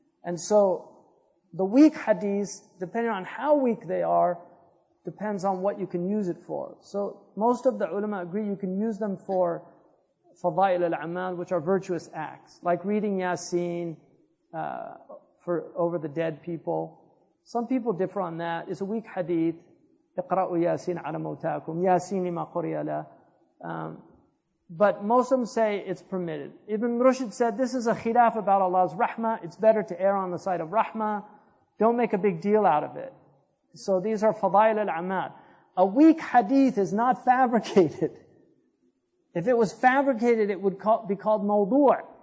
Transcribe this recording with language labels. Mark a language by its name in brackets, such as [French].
[English] And so the weak hadith, depending on how weak they are, depends on what you can use it for. So most of the ulama agree you can use them for fadail al-amal, which are virtuous acts, like reading Yasin, for over the dead people. Some people differ on that. It's a weak hadith. [Arabic] اقرأوا ياسين على موتاكم ياسين لما قرئ له. [English] But most of them say it's permitted. Ibn Rushd said, this is a khilaf about Allah's rahmah. It's better to err on the side of rahmah. Don't make a big deal out of it. So these are fadail al-amal. A weak hadith is not fabricated. If it was fabricated, it would be called mawdu'.